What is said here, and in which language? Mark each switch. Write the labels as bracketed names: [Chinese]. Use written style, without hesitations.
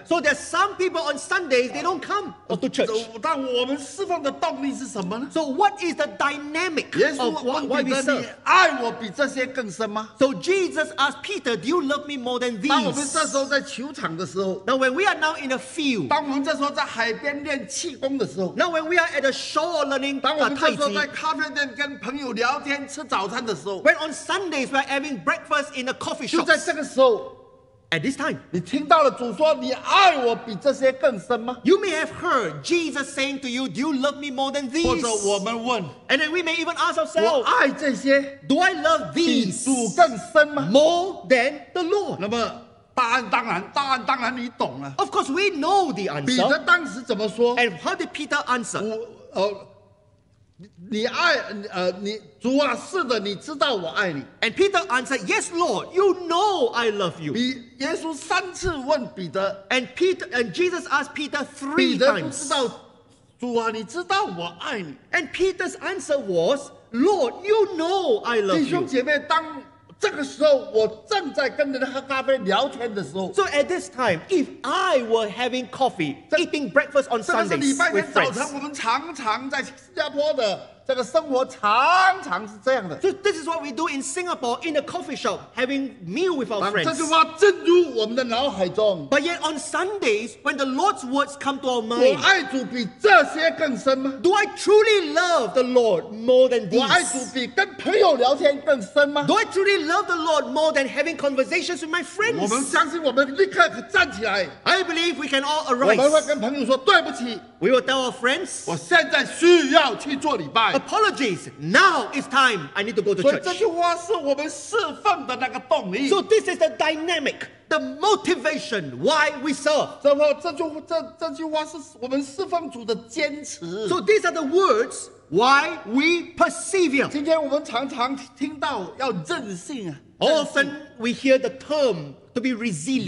[English] So there's some people on Sundays, they don't come to church. [Chinese] 但我们侍奉的动力是什么呢？ [English] So what is the dynamic of why we serve? [Chinese] 耶稣问彼得，你爱我比这些更深吗？ [English] So Jesus asked Peter, do you love me more than these? [Chinese] 当我们这时候在球场的时候。 [English] Now when we are now in a field. [Chinese] 当我们这时候在海边练气功的时候。 [English] Now when we are at a shore learning tai chi. [Chinese] 当我们这时候在咖啡店跟朋友聊天吃早餐的时候。 [English] When on Sundays we are having breakfast in a coffee shop. [Chinese] 就在这个时候。 [English] At this time, [Chinese] 你听到了主说你爱我比这些更深吗？ [English] You may have heard Jesus saying to you, do you love me more than these? [Chinese] 或者我们问， [English] And then we may even ask ourselves, [Chinese] 我爱这些， [English] do I love these? [Chinese] 比主更深吗？ [English] More than the Lord. [Chinese] 那么大案当然，答案当然你懂了。 [English] Of course, we know the answer. [Chinese] 彼得当时怎么说 [English] ？And how did Peter answer? [Chinese] 你爱主啊，是的，你知道我爱你。 [English] And Peter answered, "Yes, Lord, you know I love you." [Chinese] 耶稣三次问彼得 [English] ，and Jesus asked Peter three times. [Chinese] 彼得不知道，主啊，你知道我爱你。 [English] And Peter's answer was, "Lord, you know I love you." [Chinese] 弟兄姐妹，当这个时候我正在跟人喝咖啡聊天的时候 [English] ，So at this time, if I were having coffee, eating breakfast on Sundays with friends, [Chinese] 这个是礼拜天早晨，我们常常在新加坡的这个生活常常是这样的。 [English] So this is what we do in Singapore in a coffee shop, having meal with our friends. [Chinese] 这句话进入我们的脑海中。 [English] But yet on Sundays, when the Lord's words come to our mind, [Chinese] 我爱主比这些更深吗 [English] ？Do I truly love the Lord more than these? [Chinese] 我爱主比跟朋友聊天更深吗 [English] ？Do I truly love the Lord more than having conversations with my friends? [Chinese] 我们相信我们立刻站起来。 [English] I believe we can all arise. [Chinese] 我们会跟朋友说对不起。 [English] We will tell our friends, [Chinese] 我现在需要去做礼拜。 [English] Apologies, now it's time I need to go to church. [Chinese] 所以这句话是我们侍奉的那个动力。 [English] So this is the dynamic, the motivation why we serve. [Chinese] 这句话是我们侍奉主的坚持。 [English] So these are the words why we persevere. [Chinese] 今天我们常常听到要韧性。 [English] Often we hear the term to be resilient.